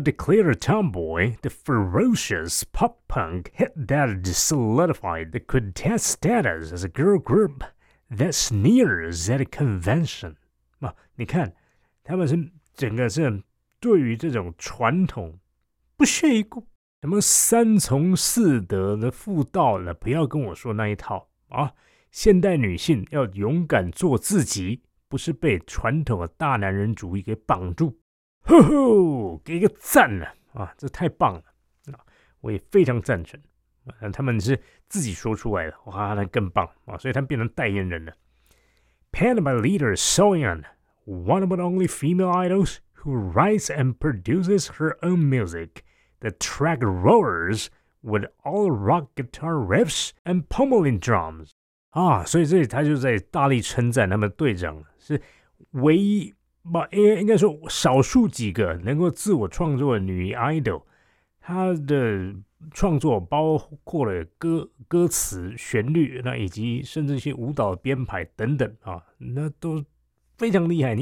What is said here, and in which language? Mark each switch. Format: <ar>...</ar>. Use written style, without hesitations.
<en>declared a tomboy the ferocious pop punk hit that solidified the quintet status as a girl group that sneers at a convention。</en> <zh>啊、你看他们是整个是对于这种传统不屑一顾，什么三从四德的妇道呢，不要跟我说那一套、啊、现代女性要勇敢做自己，不是被传统的大男人主义给绑住，呵呵，给个赞啊，啊这太棒了、啊、我也非常赞成、啊、他们是自己说出来的，哇那更棒、啊、所以他们变成代言人了。</zh> <en>Panama leader Soyeon, one of the only female idols who writes and produces her own music. The track roars with all rock guitar riffs and pummeling drums.</en> <zh>啊，所以这里他就在大力称赞他们队长是唯一吧，应该说少数几个能够自我创作的女 idol。她的创作包括了歌词、旋律，那以及甚至一些舞蹈编排等等、啊、那都非常厉害。</zh>